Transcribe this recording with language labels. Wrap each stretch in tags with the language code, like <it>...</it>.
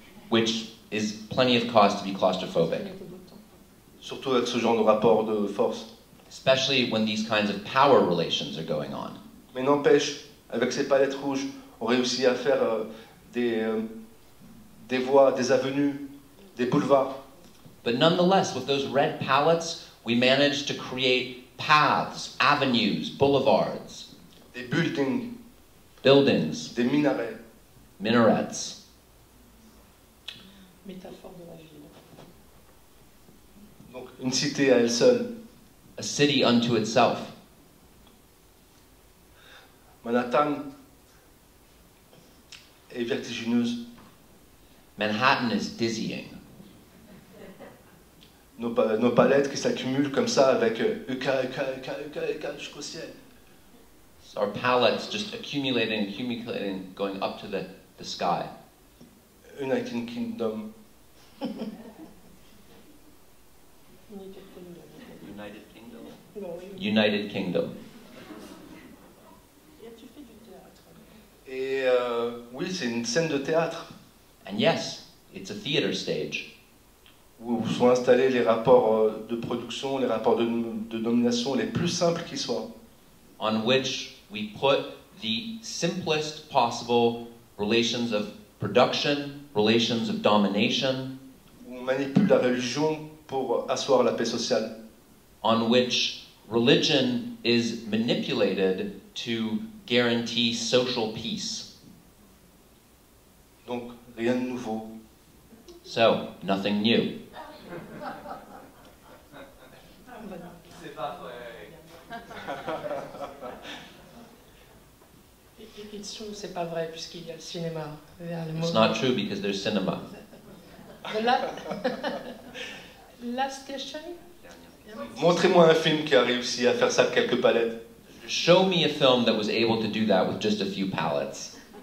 <en>Which is plenty of cause to be claustrophobic.</en> <fr>Surtout avec ce genre de rapport de force.</fr> <en>Especially when these kinds of power relations are going on.</en> <fr>Mais n'empêche, avec ces palettes rouges, on réussit à faire des voies, des avenues, des boulevards.</fr> <en>But nonetheless, with those red palettes, we managed to create paths, avenues, boulevards.</en> <fr>Des buildings.</fr> <en>Buildings.</en> <fr>Des minarets.</fr> <en>Minarets.</en> <fr>Métaphore de la ville. Donc, une cité à elle seule.</fr> <en>A city unto itself.</en> <fr>Manhattan est vertigineuse.</fr> <en>Manhattan is dizzying.</en> <fr>Nos palettes qui s'accumulent comme ça avec UK jusqu'au ciel.</fr> <en>So our palettes just accumulating, going up to the sky. United Kingdom. United Kingdom. United Kingdom.</en> <fr>Et oui, c'est une scène de théâtre.</fr> <en>And yes, it's a theater stage.</en> <fr>Où sont installés les rapports de production, les rapports de nomination les plus simples qui soient.</fr> <en>On which we put the simplest possible relations of production, relations of domination.</en> <fr>On manipule la religion pour asseoir la paix sociale.</fr> <en>On which religion is manipulated to guarantee social peace.</en> <fr>Donc, rien de nouveau.</fr> <en>So, nothing new.</en> <fr>C'est pas vrai.</fr> <en>It's true,</en> <fr>c'est pas vrai, puisqu'il y a le cinéma.</fr> <en>It's not true because there's cinema. Last question.</en> <fr>Montrez-moi un film qui a réussi à faire ça avec quelques palettes.</fr> <en>Show me a film that was able to do that with just a few palettes.</en>